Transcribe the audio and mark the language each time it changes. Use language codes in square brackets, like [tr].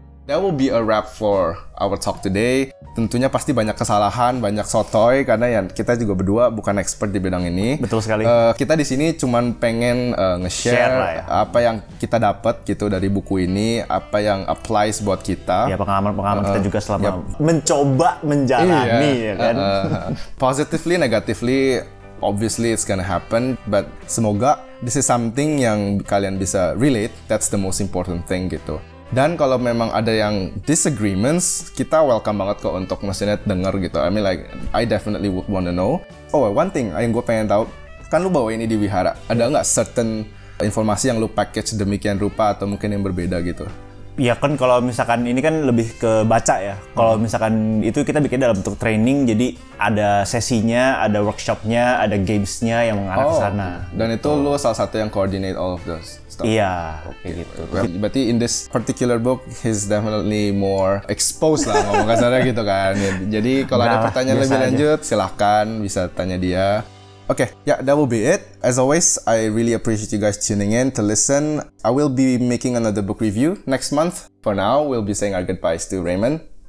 [en] That will be a wrap for our talk today. [id] Tentunya pasti banyak kesalahan, banyak sotoy, karena ya kita juga berdua bukan expert di bidang ini. Betul sekali. Kita di sini cuman pengen nge-share apa yang kita dapat gitu dari buku ini, apa yang applies buat kita. Ya pengalaman-pengalaman kita juga selama mencoba menjalani ya kan. [en] Positively, negatively, obviously it's gonna happen, but [id] semoga [en] this is something [id] yang kalian bisa [en] relate. That's the most important thing [id] gitu. Dan kalau memang ada yang disagreements, kita welcome banget kok untuk mesinnya denger gitu. [en] I mean like, I definitely would wanna know. Oh, one thing [id] yang gue pengen tahu, kan lu bawa ini di wihara, ada nggak certain informasi yang lu package demikian rupa atau mungkin yang berbeda gitu? Ya kan kalau misalkan ini kan lebih ke baca ya. Kalau misalkan itu kita bikin dalam bentuk training, jadi ada sesinya, ada workshopnya, ada gamesnya yang mengarah ke sana. Dan itu lu salah satu yang [en] coordinate all of those stuff. [id] Iya, okay. Kayak gitu. Berarti [en] in this particular book he's definitely more exposed [id] lah ngomong kasarnya gitu kan. Jadi kalau ada pertanyaan lebih lanjut, silahkan bisa tanya dia. [en] Okay, yeah, that will be it. As always, I really appreciate you guys tuning in to listen. I will be making another book review next month. For now, we'll be saying our goodbyes to Raymond.